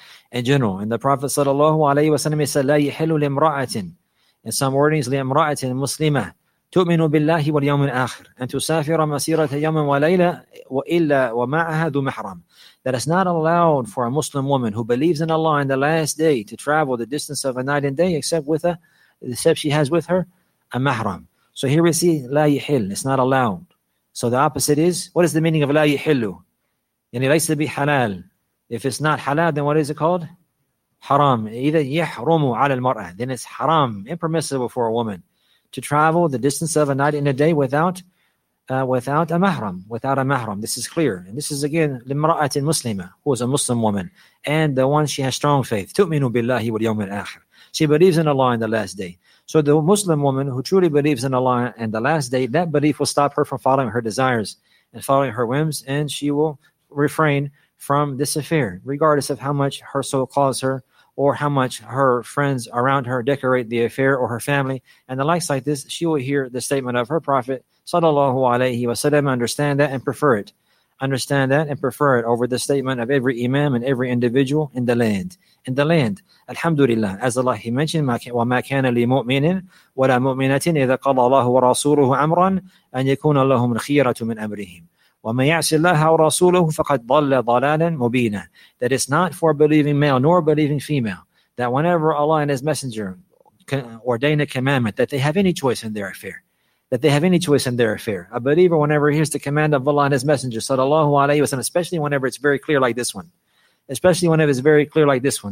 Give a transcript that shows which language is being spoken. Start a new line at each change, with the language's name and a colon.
English: And the Prophet sallallahu alayhi wa sallam said,
Arabic: لا يحل لامرأة,
English: in some wordings,
Arabic: لامرأة مسلمة, تؤمن بالله واليوم الآخر أن تسافر مسيرة يوم وليلة وإلا ومعها ذو محرم.
English: That is not allowed for a Muslim woman who believes in Allah in the last day to travel the distance of a night and day except she has with her a mahram. So here we see
Arabic: لا يحل,
English: it's not allowed. So the opposite is, what is the meaning of لا يحل?
Arabic: يعني ليس بحلال.
English: If it's not halal, then what is it called?
Arabic: حرام إذا يحرم على المرأة.
English: Then it's haram, impermissible for a woman to travel the distance of a night in a day without without a mahram, without a mahram. This is clear. And this is again
Arabic: لمرأة مسلمة,
English: who is a Muslim woman, and the one she has strong faith.
Arabic: تؤمن بالله واليوم الآخر.
English: She believes in Allah and the last day. So the Muslim woman who truly believes in Allah and the last day, that belief will stop her from following her desires and following her whims, and she will refrain from this affair, regardless of how much her soul calls her or how much her friends around her decorate the affair or her family. And the likes like this, she will hear the statement of her Prophet sallallahu alayhi wa sallam, understand that and prefer it. Understand that and prefer it over the statement of every imam and every individual in the land. In the land, alhamdulillah, as Allah He mentioned,
Arabic: وَمَا كَانَ لِمُؤْمِنٍ وَلَا مُؤْمِنَةٍ إِذَا قَضَى اللَّهُ وَرَسُولُهُ أَمْرًا أَنْ يَكُونَ لَهُمُ الْخِيَرَةُ مِنْ أَمْرِهِمْ وَمَا يَعْصِ اللَّهَ وَرَسُولُهُ فَقَدْ ضَلَّ ضَلَالًا مُبِينًا.
English: That is not for believing male nor believing female, that whenever Allah and His Messenger ordain a commandment, that they have any choice in their affair. That they have any choice in their affair. A believer, whenever he hears the command of Allah and His Messenger, sallallahu alayhi wa sallam, especially whenever it's very clear like this one, especially whenever it's very clear like this one.